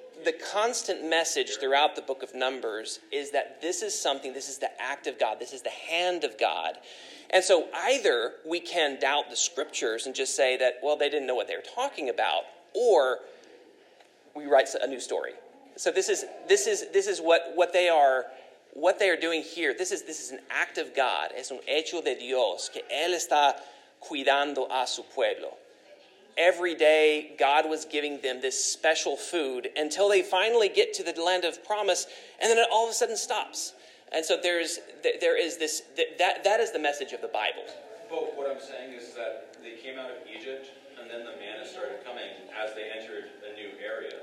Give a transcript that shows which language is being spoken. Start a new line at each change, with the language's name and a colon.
English: The constant message throughout the book of Numbers is that this is something, this is the act of God, this is the hand of God. And so either we can doubt the scriptures and just say that, well, they didn't know what they were talking about, or we write a new story. So this is what they are doing here. This is an act of God.
Spanish: Es un hecho de Dios que él está cuidando a su pueblo.
English: Every day God was giving them this special food until they finally get to the land of promise, and then it all of a sudden stops. And so there is this the message of the Bible. But what I'm saying is that they came out of Egypt, and then the manna started coming as they entered a new area.